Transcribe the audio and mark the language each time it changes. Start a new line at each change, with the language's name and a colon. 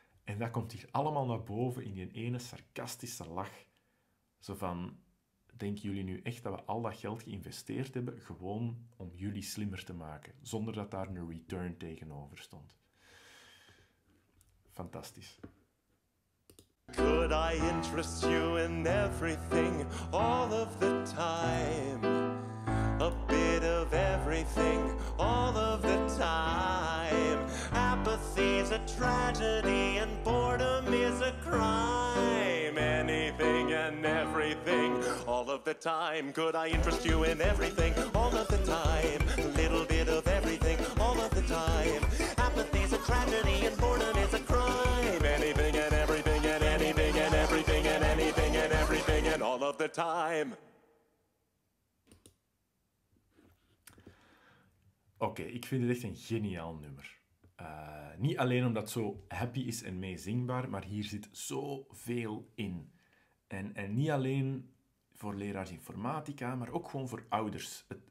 Dutch: En dat komt hier allemaal naar boven in die ene sarcastische lach. Zo van, denken jullie nu echt dat we al dat geld geïnvesteerd hebben gewoon om jullie slimmer te maken, zonder dat daar een return tegenover stond? Fantastisch.
English: Could I interest you in everything all of the time? A bit of everything all of the time. Apathy is a tragedy and boredom is a crime. Anything and everything all of the time. Could I interest you in everything all of the time? A little bit of everything all of the time. Apathy is a tragedy and boredom is a crime. Anything and everything and anything and everything and anything and everything and all of the time.
Dutch: Oké, ik vind het echt een geniaal nummer. Niet alleen omdat het zo happy is en meezingbaar, maar hier zit zoveel in. En niet alleen voor leraars informatica, maar ook gewoon voor ouders.